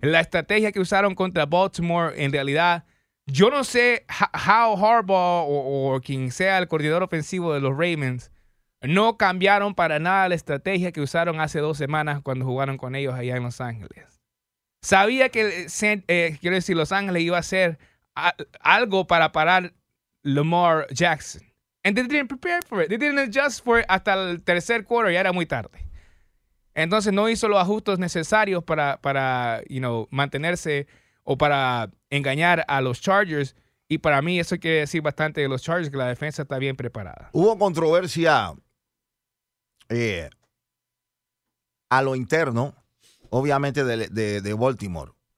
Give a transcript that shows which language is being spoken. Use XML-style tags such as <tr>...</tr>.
<es>La estrategia que usaron contra Baltimore, en realidad, yo no sé how Harbaugh o quien sea el coordinador ofensivo de los Ravens no cambiaron para nada la estrategia que usaron hace 2 semanas cuando jugaron con ellos allá en Los Ángeles. Sabía que Los Ángeles iba a hacer algo para parar Lamar Jackson.</es> <en>And they didn't prepare for it. They didn't adjust for it</en> <es>hasta el tercer quarter. Ya era muy tarde. Entonces no hizo los ajustes necesarios para mantenerse o para engañar a los Chargers. Y para mí eso quiere decir bastante de los Chargers, que la defensa está bien preparada. Hubo controversia a lo interno, obviamente, de Baltimore.</es>